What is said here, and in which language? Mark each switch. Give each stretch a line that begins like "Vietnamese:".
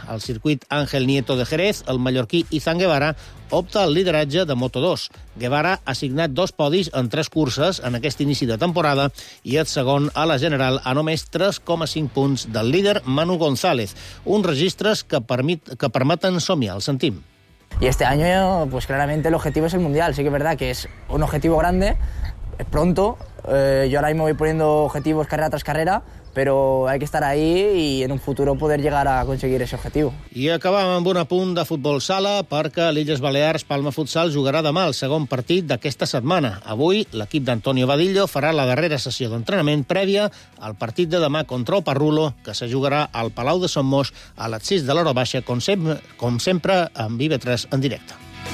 Catalan: Al circuit Ángel Nieto de Jerez, el mallorquí Izan Guevara opta al lideratge de Moto2. Guevara ha signat 2 podis en 3 curses en aquest inici de temporada i és segon a la general a només 3,5 punts del líder Manu González. Uns registres que permeten somiar, el sentim.
Spanish: Y este año, pues claramente el objetivo es el Mundial. Sí que es verdad que es un objetivo grande, es pronto. Yo ahora mismo voy poniendo objetivos carrera tras carrera, pero hay que estar ahí y en un futuro poder llegar a conseguir ese objetivo.
Catalan: I acabam amb un apunt de futbol sala, perquè l'Illes Balears Palma Futsal jugarà demà el segon partit d'aquesta setmana. Avui, l'equip d'Antonio Vadillo farà la darrera sessió d'entrenament prèvia al partit de demà contra el Parrulo, que se jugarà al Palau de Son Moix a les 6 de l'hora baixa, com sempre, amb IB3 en directe.